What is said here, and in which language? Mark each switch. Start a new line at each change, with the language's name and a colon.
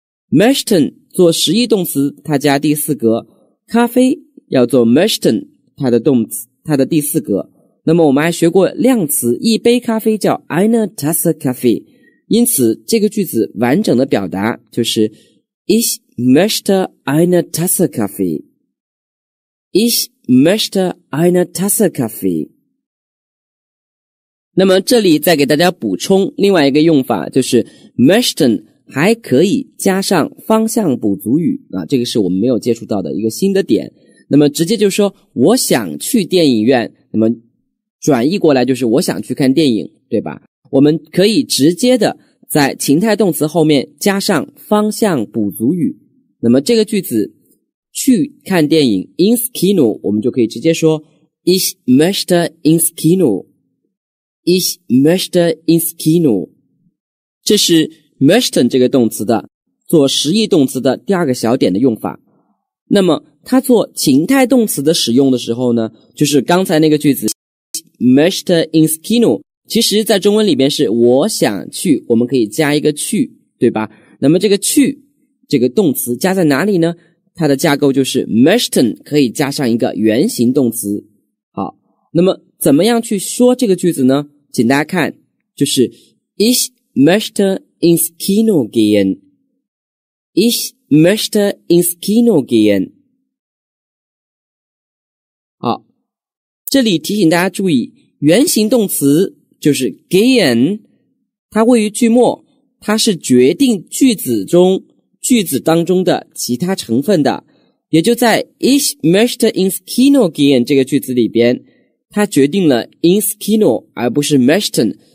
Chinese: möchten 做实义动词，它加第四格，咖啡要做 möchten 它的动词它的第四格。那么我们还学过量词，一杯咖啡叫 eine Tasse Kaffee， 因此这个句子完整的表达就是
German: Ich möchte eine Tasse Kaffee， Ich möchte eine Tasse Kaffee。
Chinese: 那么这里再给大家补充另外一个用法，就是 möchten还可以加上方向补足语啊，这个是我们没有接触到的一个新的点。那么直接就说我想去电影院，那么转译过来就是我想去看电影，对吧？我们可以直接的在情态动词后面加上方向补足语，那么这个句子去看电影
German: ins Kino，
Chinese: 我们就可以直接说
German: Ich möchte ins Kino， Ich möchte ins Kino。
Chinese: 这是möchten 这个动词的做实义动词的第二个小点的用法。那么它做情态动词的使用的时候呢，就是刚才那个句子
German: möchte ins Kino，
Chinese: 其实在中文里边是我想去，我们可以加一个去，对吧？那么这个去这个动词加在哪里呢？它的架构就是 möchten 可以加上一个原形动词。好，那么怎么样去说这个句子呢？请大家看，就是
German: Ich möchteins Kino gehen， Ich möchte ins Kino gehen。
Chinese: 好，这里提醒大家注意，原形动词就是 gehen， 它位于句末，它是决定句子中句子当中的其他成分的，也就在
German: Ich möchte ins Kino gehen
Chinese: 这个句子里边，它决定了 ins Kino 而不是 möchten。